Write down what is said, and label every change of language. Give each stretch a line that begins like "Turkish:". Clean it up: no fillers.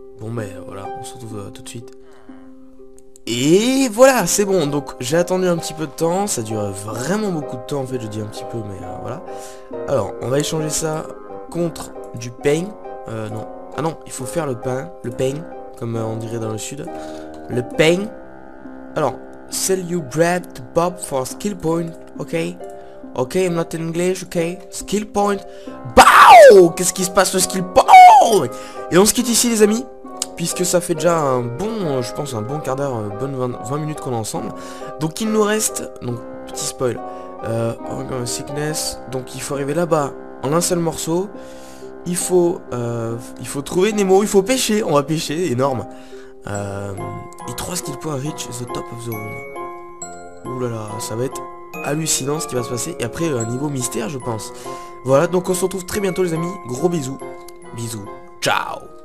French: Bon, mais voilà, on se retrouve tout de suite. Et voilà, c'est bon. Donc, j'ai attendu un petit peu de temps. Ça dure vraiment beaucoup de temps, en fait, je dis un petit peu, mais voilà. Alors, on va échanger ça contre du pain. Non. Ah non, il faut faire le pain, comme on dirait dans le sud. Le pain. Alors,
English: sell you bread to Bob for skill point, ok? Ok, I'm not in English, ok? Skill point. BOW!
French: Qu'est-ce qui se passe, le skill point? Et on se quitte ici, les amis, puisque ça fait déjà un bon, je pense, un bon quart d'heure, bonne 20 minutes qu'on est ensemble. Donc, il nous reste, donc, petit spoil, Sickness. Donc, il faut arriver là-bas en un seul morceau. Il faut trouver Nemo, il faut pêcher, on va pêcher, énorme. Et
English: 3 skill points reach the top of the room.
French: Oulala, ça va être hallucinant ce qui va se passer. Et après, un niveau mystère, je pense. Voilà, donc on se retrouve très bientôt, les amis. Gros bisous. Bisous. Ciao.